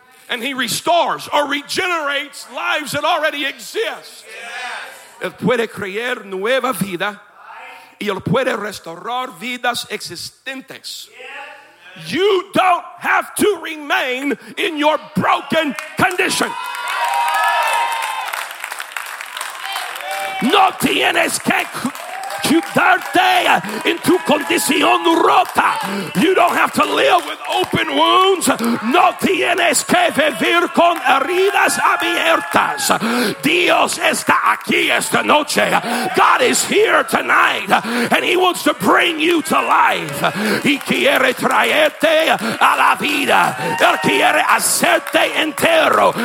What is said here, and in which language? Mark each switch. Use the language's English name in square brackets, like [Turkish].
[English] And he restores or regenerates lives that already exist. [Spanish] Él puede crear nueva vida y él puede restaurar vidas existentes. [English] You don't have to remain in your broken condition. [Spanish] No tienes que quedarte en tu condición rota. [English] You don't have to live with open wounds. [Spanish] No tienes que vivir con heridas abiertas. Dios está aquí esta noche. [English] God is here tonight and he wants to bring you to life. [Spanish] Y quiere traerte a la vida. Él quiere hacerte entero.